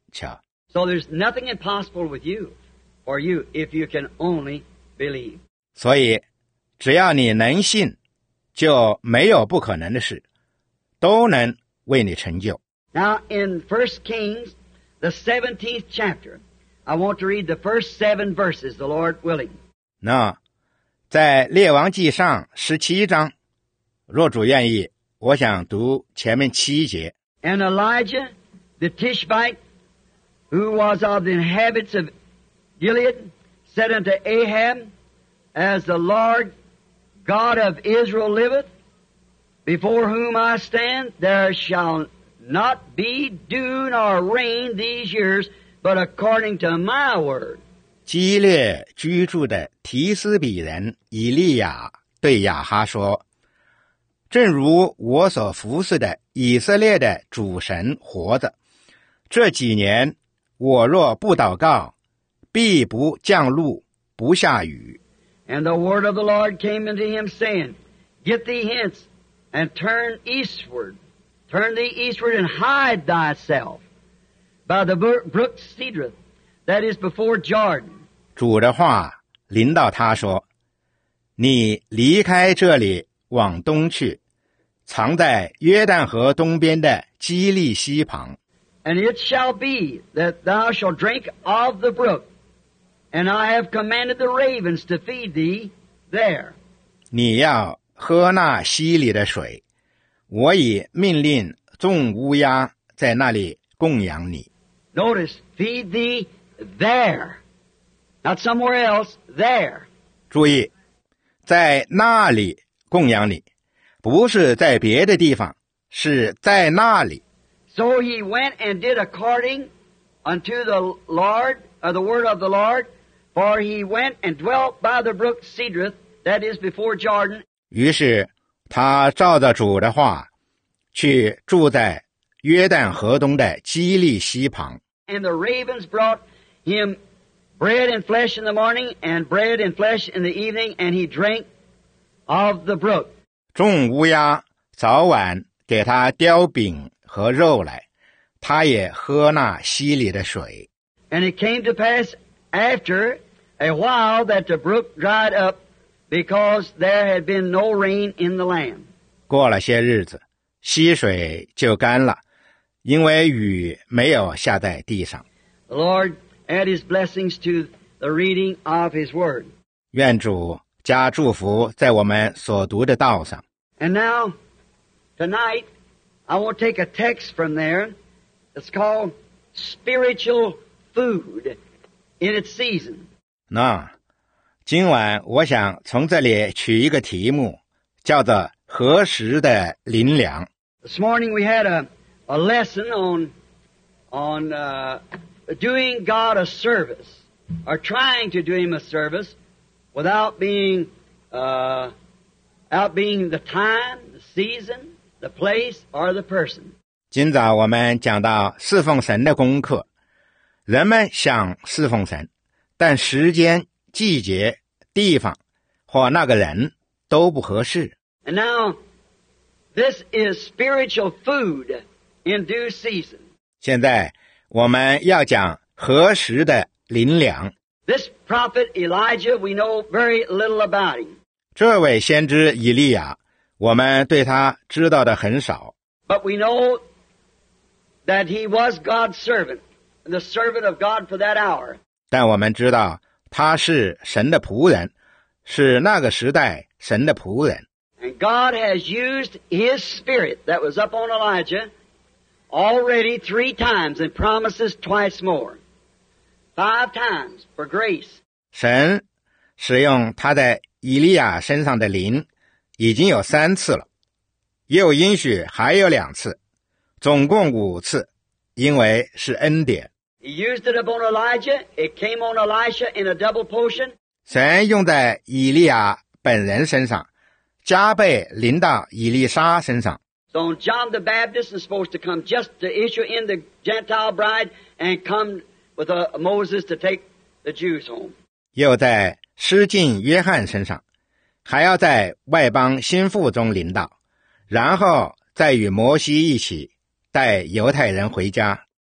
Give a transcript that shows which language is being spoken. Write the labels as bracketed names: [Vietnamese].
[Chinese] 瞧。 [English] So there's nothing impossible with you, for you, if you can only believe. [Chinese] 所以，只要你能信，就没有不可能的事，都能为你成就。 [English] Now in 1 Kings, the 17th chapter, I want to read the first 7 verses, the Lord willing. [Chinese] 那，在列王记上17章，若主愿意，我想读前面七节。 [English] And Elijah, the Tishbite, who was of the inhabitants of Gilead, said unto Ahab, As the Lord God of Israel liveth, before whom I stand, there shall not be dew nor rain these years, but according to my word. [Chinese] 基列居住的提斯比人以利亚对亚哈说，正如我所服侍的以色列的主神活着，这几年我若不祷告，必不降露，不下雨。 [English] And the word of the Lord came unto him, saying, Get thee hence, and turn eastward. Turn thee eastward, and hide thyself by the brook Cedroth, that is before Jordan. [Chinese] 主的话临到他说，你离开这里往东去，藏在约旦河东边的基利西旁。 [English] And it shall be that thou shalt drink of the brook, and I have commanded the ravens to feed thee there. [Chinese] 你要喝那溪里的水，我已命令众乌鸦在那里供养你。 [English] Notice, feed thee there, not somewhere else, there. [Chinese] 注意，在那里供养你，不是在别的地方，是在那里。 [English] So he went and did according unto the Lord, or the word of the Lord, for he went and dwelt by the brook Cedroth, that is before Jordan. [Chinese] 于是他照着主的话去住在约旦河东的基利西旁。 [English] And the ravens brought him bread and flesh in the morning and bread and flesh in the evening, and he drank of the brook. [Chinese] 众乌鸦早晚给他叼饼和肉来，他也喝那溪里的水。 [English] And it came to pass after a while that the brook dried up because there had been no rain in the land. [Chinese] 过了些日子，溪水就干了，因为雨没有下在地上。 [English] The Lord add his blessings to the reading of his word. [Chinese] 愿主加祝福在我们所读的道上。 [English] And now, tonight,I want to take a text from there. It's called Spiritual Food in its Season. [Chinese] 那今晚我想从这里取一个题目，叫做何时的灵粮。 [English] This morning we had a lesson on doing God a service, or trying to do Him a service without being the time, the season,The place or the person. [Chinese] 今早我们讲到侍奉神的功课，人们想侍奉神，但时间、季节、地方或那个人都不合适。 [English] And now, this is spiritual food in due season. [Chinese] 现在我们要讲何时的灵粮。 [English] This prophet Elijah, we know very little about him. [Chinese] 这位先知以利亚，我们对他知道的很少。 [English] But we know that he was God's servant, the servant of God for that hour. [Chinese] 但我们知道他是神的仆人，是那个时代神的仆人。 [English] And God has used his spirit that was up on Elijah already three times and promises twice more. Five times for grace. [Chinese] 神使用他在以利亚身上的灵已经有三次了，又应许还有两次，总共五次，因为是恩典。 [English] He used it upon Elijah, it came on Elisha in a double portion. [Chinese] 神用在以利亚本人身上，加倍临到以利沙身上。 [English] So John the Baptist is supposed to come just to issue in the Gentile bride and come with Moses to take the Jews home. [Chinese] 又在施浸约翰身上，还要在外邦心腹中临到，然后再与摩西一起带犹太人回家。